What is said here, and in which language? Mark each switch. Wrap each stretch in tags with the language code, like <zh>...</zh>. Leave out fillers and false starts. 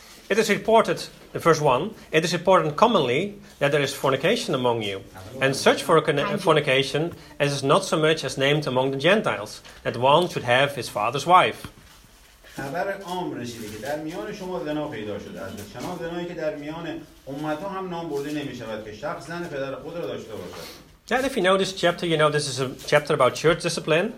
<en>It is reported, the first one, it is reported commonly that there is fornication among you, and such for fornication as is not so much as named among the Gentiles, that one should have his father's wife.</en> <fa>خبر عام رسیده که در میان شما زنا پیدا شده است. چنان زنایی که در میان امت ها هم نام برده نمی شود که شخص زن پدر خود را داشته باشد.</fa> <en>And if you know this chapter, you know this is a chapter about church discipline.</en>